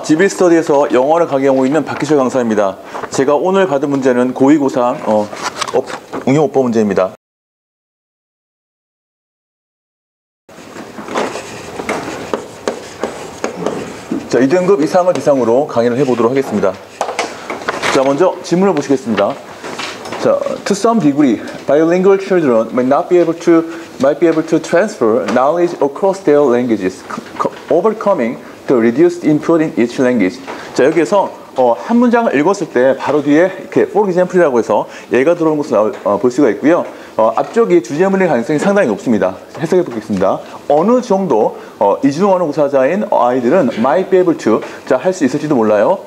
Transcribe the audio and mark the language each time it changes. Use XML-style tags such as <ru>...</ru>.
<ko>GB 스터디에서 영어를 강의하고 있는 박기철 강사입니다. 제가 오늘 받은 문제는 고2고3 응용오빠 문제입니다. 자, 2등급 이상을 대상으로 강의를 해보도록 하겠습니다. 자, 먼저 질문을 보시겠습니다.</ko> <en>자, to some degree, bilingual children might be able to transfer knowledge across their languages, overcoming the reduced input in each language.</en> <ko>자, 여기에서 한 문장을 읽었을 때 바로 뒤에 이렇게</ko> <en>for example</en> <ko>이라고 해서 예가 들어온 것을 볼 수가 있고요. 앞쪽이 주제문일 가능성이 상당히 높습니다. 해석해 보겠습니다. 어느 정도 이중언어 구사자인 아이들은</ko> <en>might be able to</en> <ko>할 수 있을지도 몰라요.</ko>